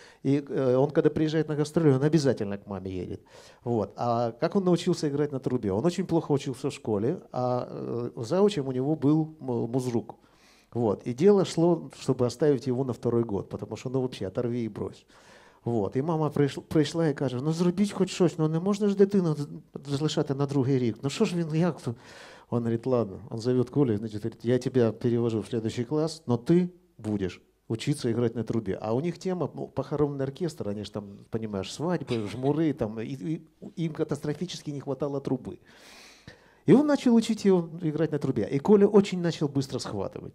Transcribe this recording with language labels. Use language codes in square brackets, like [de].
[ru] И он, когда приезжает на гастроли, он обязательно к маме едет. Вот. А как он научился играть на трубе? Он очень плохо учился в школе, а заучем у него был музрук. Вот. И дело шло, чтобы оставить его на второй год, потому что ну вообще оторви и брось. Вот. [uk] И мама прийшла и каже: ну зробіть хоч щось, ну не можна ж дитину залишати на другий рік. Ну що ж він, як то? [ru] Он говорит: ладно, он зовет Колю, значит, говорит, я тебя перевожу в следующий класс, но ты будешь учиться играть на трубе. А у них тема, ну, похоронный оркестр, они же там, понимаешь, свадьбы, жмуры, там, и им катастрофически не хватало трубы. И он начал учить его играть на трубе. И Коля очень начал быстро схватывать.